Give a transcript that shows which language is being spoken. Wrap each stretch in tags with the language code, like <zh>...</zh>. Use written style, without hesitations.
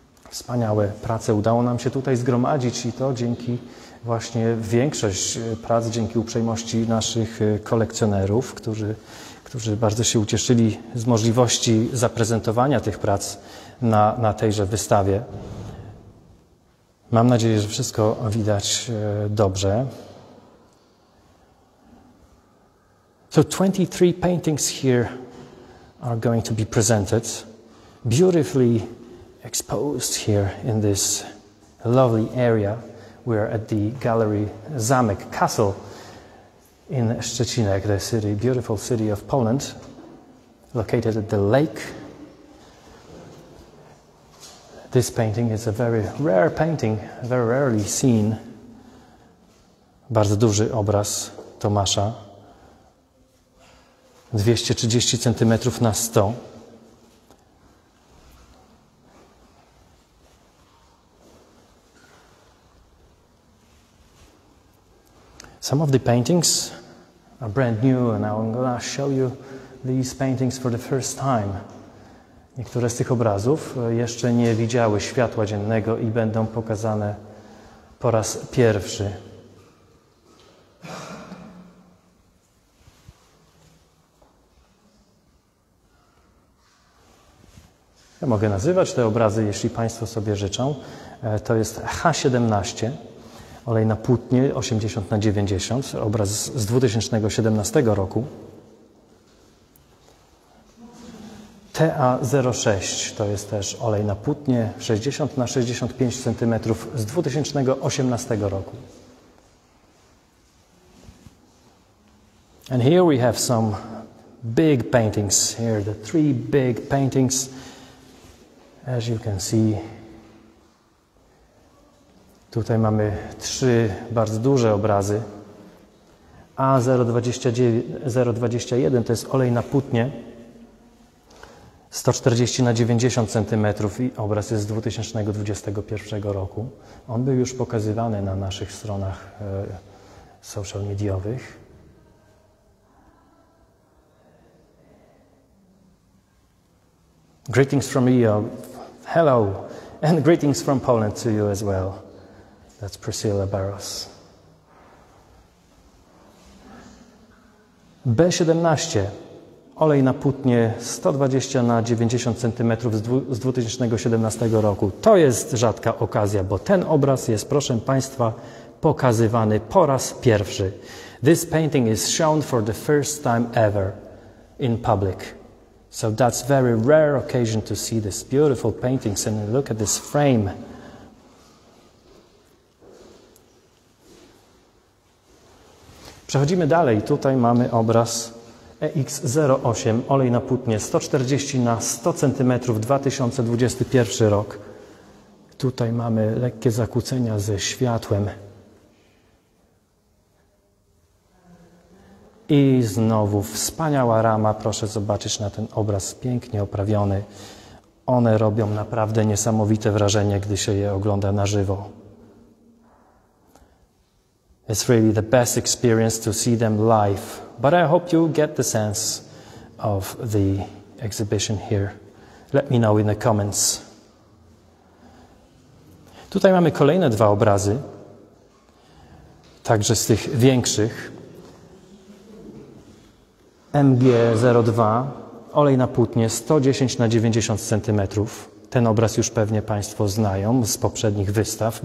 <pl>Wspaniałe prace udało nam się tutaj zgromadzić i to dzięki właśnie większość prac, dzięki uprzejmości naszych kolekcjonerów, którzy bardzo się ucieszyli z możliwości zaprezentowania tych prac na tejże wystawie. Mam nadzieję, że wszystko widać dobrze.</pl> <en>So 23 paintings here are going to be presented beautifully exposed here in this lovely area. We are at the gallery Zamek Castle in Szczecinek, the city, beautiful city of Poland, located at the lake. This painting is a very rare painting, very rarely seen.</en> <pl>Bardzo duży obraz Tomasza. 230 cm na 100.</pl> <en>Some of the paintings are brand new and I'm gonna show you these paintings for the first time.</en> <pl>Niektóre z tych obrazów jeszcze nie widziały światła dziennego i będą pokazane po raz pierwszy. Ja mogę nazywać te obrazy, jeśli Państwo sobie życzą. To jest H17. Olej na płótnie 80x90, obraz z 2017 roku. TA06 to jest też olej na płótnie 60x65 cm z 2018 roku.</pl> <en>And here we have some big paintings. Here are the three big paintings. As you can see,</en> <pl>tutaj mamy trzy bardzo duże obrazy. A021 to jest olej na płótnie 140x90 cm i obraz jest z 2021 roku. On był już pokazywany na naszych stronach social mediowych.</pl> <en>Greetings from EO. Hello. And greetings from Poland to you as well. That's Priscilla Barros. B17.</en> <pl>Olej na płótnie 120x90 cm z 2017 roku. To jest rzadka okazja, bo ten obraz jest, proszę Państwa, pokazywany po raz pierwszy.</pl> <en>This painting is shown for the first time ever in public. So that's very rare occasion to see this beautiful painting. And look at this frame.</en> <pl>Przechodzimy dalej. Tutaj mamy obraz EX08, olej na płótnie 140x100 cm, 2021 rok. Tutaj mamy lekkie zakłócenia ze światłem. I znowu wspaniała rama. Proszę zobaczyć na ten obraz, pięknie oprawiony. One robią naprawdę niesamowite wrażenie, gdy się je ogląda na żywo.</pl> <en>It's really the best experience to see them live. But I hope you get the sense of the exhibition here. Let me know in the comments.</en> <pl>Tutaj mamy kolejne dwa obrazy, także z tych większych. MG02, olej na płótnie, 110 na 90 cm. Ten obraz już pewnie Państwo znają z poprzednich wystaw.</pl>